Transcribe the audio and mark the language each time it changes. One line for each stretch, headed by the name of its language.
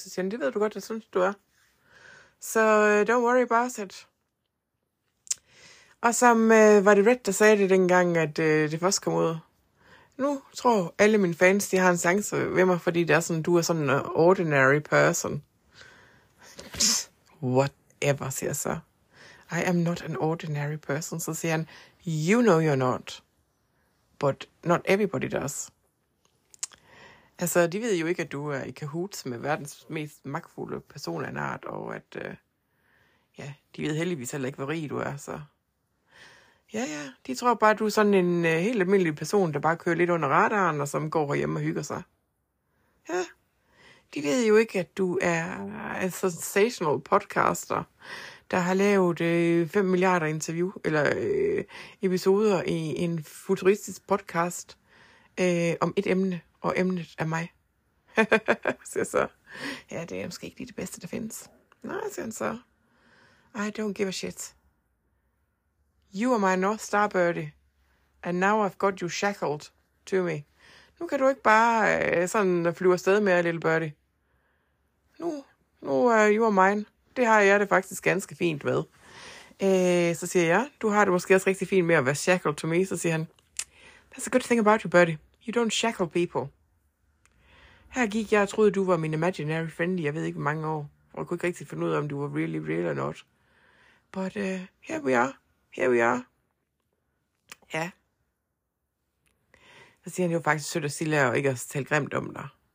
Danish: Så siger han, det ved du godt, jeg synes, du er. Så
English: don't worry about it.
Danish: Og som var det Red, der sagde det dengang, at det først kom ud. nu tror alle mine fans, de har en chance ved mig, fordi det er sådan, du er sådan en
English: ordinary person.
Danish: Whatever, siger så.
English: I am not an ordinary person,
Danish: så siger han,
English: you know you're not. But not everybody does.
Danish: Altså, de ved jo ikke, at du er i cahoots med verdens mest magtfulde person af en art, og at, ja, de ved heldigvis heller ikke, hvor rig du er, så. Ja, ja, de tror bare, at du er sådan en helt almindelig person, der bare kører lidt under radaren, og som går hjem og hygger sig. Ja, de ved jo ikke, at du er en sensational podcaster, der har lavet 5 milliarder interview, eller episoder i en futuristisk podcast om et emne. Og emnet er mig. Siger så. Ja, det er måske ikke lige det bedste, der findes. Nej, siger han så.
English: I don't give a shit. You are my North Star birdie. And now I've got you shackled to me.
Danish: Nu kan du ikke bare sådan flyve afsted med,
English: little birdie.
Danish: Nu er
English: you are mine.
Danish: Det har jeg det faktisk ganske fint med. Så siger jeg, du har det måske også rigtig fint med at være
English: shackled to me.
Danish: Så siger han,
English: that's a good thing about you, birdie. You don't shackle people.
Danish: Her gik jeg og troede, du var min
English: imaginary friend,
Danish: jeg ved ikke hvor mange år. Og jeg kunne ikke rigtig finde ud af, om du var
English: really real or not. But here we are. Here we are. Ja.
Danish: Så siger han, det var faktisk sødt at sige, og ikke at tale grimt om dig.